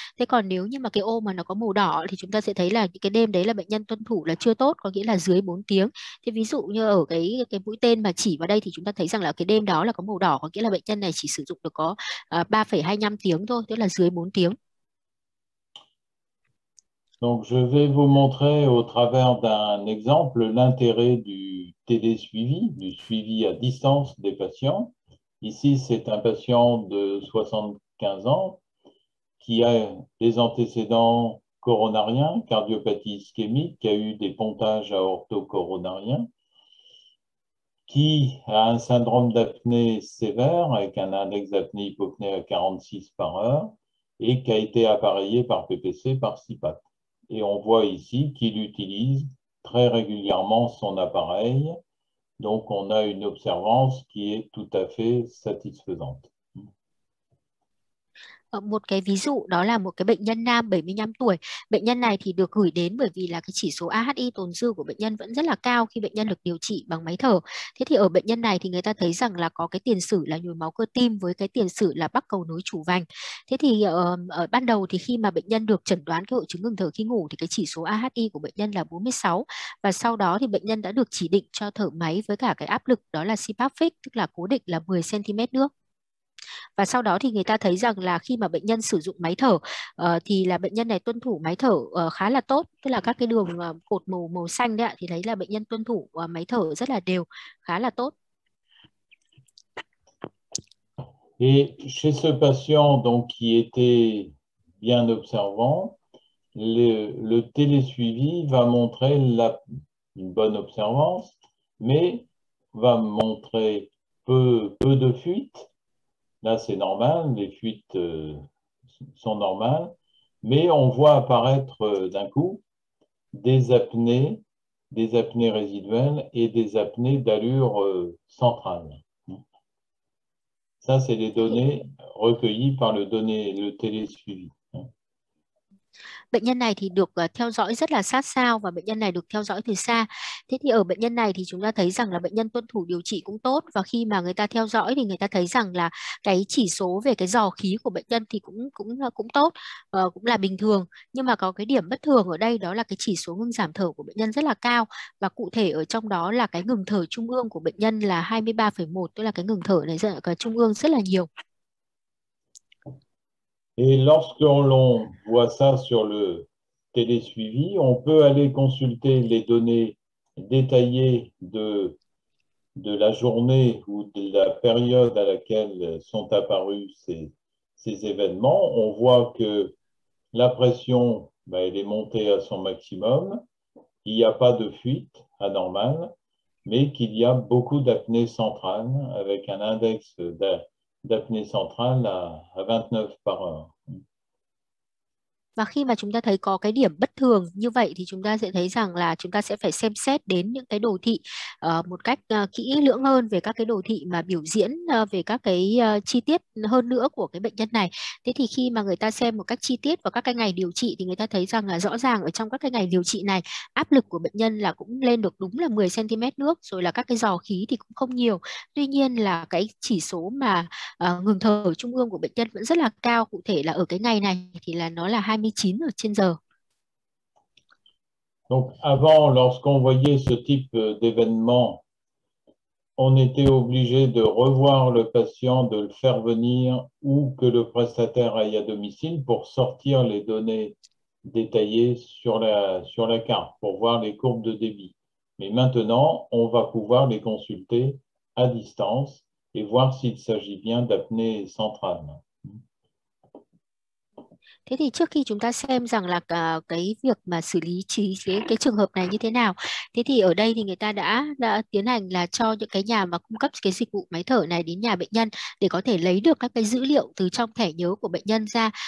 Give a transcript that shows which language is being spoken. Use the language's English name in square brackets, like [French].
[Vietnamese] Thế còn nếu như mà cái ô mà nó có màu đỏ thì chúng ta sẽ thấy là những cái đêm đấy là bệnh nhân tuân thủ là chưa tốt, có nghĩa là dưới 4 tiếng. Thế ví dụ như ở cái mũi tên mà chỉ vào đây thì chúng ta thấy rằng là cái đêm đó là có màu đỏ, có nghĩa là bệnh nhân này chỉ sử dụng được có 3,25 tiếng thôi, tức là dưới 4 tiếng. [French] Donc, je vais vous montrer au travers d'un exemple l'intérêt du télésuivi, du suivi à distance des patients. Ici, c'est un patient de 75 ans qui a des antécédents coronariens, cardiopathie ischémique, qui a eu des pontages aorto-coronariens, qui a un syndrome d'apnée sévère avec un index d'apnée-hypopnée à 46 par heure et qui a été appareillé par PPC, par CPAP. Et on voit ici qu'il utilise très régulièrement son appareil. Donc, on a une observance qui est tout à fait satisfaisante. [Vietnamese] Một cái ví dụ đó là một cái bệnh nhân nam 75 tuổi. Bệnh nhân này thì được gửi đến bởi vì là cái chỉ số AHI tồn dư của bệnh nhân vẫn rất là cao khi bệnh nhân được điều trị bằng máy thở. Thế thì ở bệnh nhân này thì người ta thấy rằng là có cái tiền sử là nhồi máu cơ tim với cái tiền sử là bắc cầu nối chủ vành. Thế thì ở ban đầu thì khi mà bệnh nhân được chẩn đoán cái hội chứng ngừng thở khi ngủ thì cái chỉ số AHI của bệnh nhân là 46, và sau đó thì bệnh nhân đã được chỉ định cho thở máy với cả cái áp lực đó là CPAP fix, tức là cố định là 10 cm nước. Và sau đó thì người ta thấy rằng là khi mà bệnh nhân sử dụng máy thở thì là bệnh nhân này tuân thủ máy thở khá là tốt, tức là các cái đường cột màu màu xanh đấy ạ, thì đấy là bệnh nhân tuân thủ máy thở rất là đều, khá là tốt. [French] Et chez ce patient donc, qui était bien observant, le télésuivi va montrer une bonne observance, mais va montrer peu de fuites. Là, c'est normal, les fuites sont normales, mais on voit apparaître d'un coup des apnées résiduelles et des apnées d'allure centrale. Ça, c'est les données recueillies par le donné, le télésuivi. [Vietnamese] Bệnh nhân này thì được theo dõi rất là sát sao và bệnh nhân này được theo dõi từ xa. Thế thì ở bệnh nhân này thì chúng ta thấy rằng là bệnh nhân tuân thủ điều trị cũng tốt, và khi mà người ta theo dõi thì người ta thấy rằng là cái chỉ số về cái dò khí của bệnh nhân thì cũng cũng cũng tốt, cũng là bình thường. Nhưng mà có cái điểm bất thường ở đây, đó là cái chỉ số ngưng giảm thở của bệnh nhân rất là cao, và cụ thể ở trong đó là cái ngừng thở trung ương của bệnh nhân là 23,1, tức là cái ngừng thở này ở cái trung ương rất là nhiều. [French] Et lorsque l'on voit ça sur le télésuivi, on peut aller consulter les données détaillées de la journée ou de la période à laquelle sont apparus ces événements. On voit que la pression, ben, elle est montée à son maximum, il n'y a pas de fuite anormale, mais qu'il y a beaucoup d'apnée centrale avec un index d'apnée centrale à 29 par heure. [Vietnamese] Và khi mà chúng ta thấy có cái điểm bất thường như vậy thì chúng ta sẽ thấy rằng là chúng ta sẽ phải xem xét đến những cái đồ thị một cách kỹ lưỡng hơn, về các cái đồ thị mà biểu diễn về các cái chi tiết hơn nữa của cái bệnh nhân này. Thế thì khi mà người ta xem một cách chi tiết vào các cái ngày điều trị thì người ta thấy rằng là rõ ràng ở trong các cái ngày điều trị này, áp lực của bệnh nhân là cũng lên được đúng là 10 cm nước, rồi là các cái dò khí thì cũng không nhiều. Tuy nhiên là cái chỉ số mà ngừng thở trung ương của bệnh nhân vẫn rất là cao, cụ thể là ở cái ngày này thì là nó là 29 ở trên giờ. [French] Donc avant, lorsqu'on voyait ce type d'événement, on était obligé de revoir le patient, de le faire venir ou que le prestataire aille à domicile pour sortir les données détaillées sur la carte, pour voir les courbes de débit. Mais maintenant, on va pouvoir les consulter à distance et voir s'il s'agit bien d'apnée centrale. [Vietnamese] Thế thì trước khi chúng ta xem rằng là cái việc mà xử lý cái trường hợp này như thế nào, thế thì ở đây thì người ta đã tiến hành là cho những cái nhà mà cung cấp cái dịch vụ máy thở này đến nhà bệnh nhân để có thể lấy được các cái dữ liệu từ trong thẻ nhớ của bệnh nhân ra.